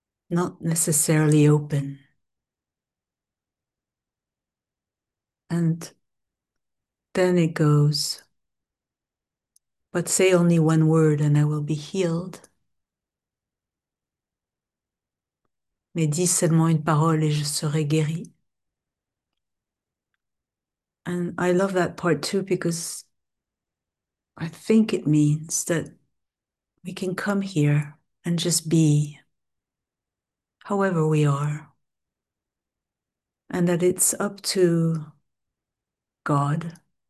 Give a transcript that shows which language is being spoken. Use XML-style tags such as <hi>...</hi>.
<en>Not necessarily open. And then it goes, but say only one word and I will be healed.</en> <fr>Mais dis seulement une parole et je serai guéri.</fr> <en>And I love that part too because I think it means that we can come here and just be however we are, and that it's up to God.</en>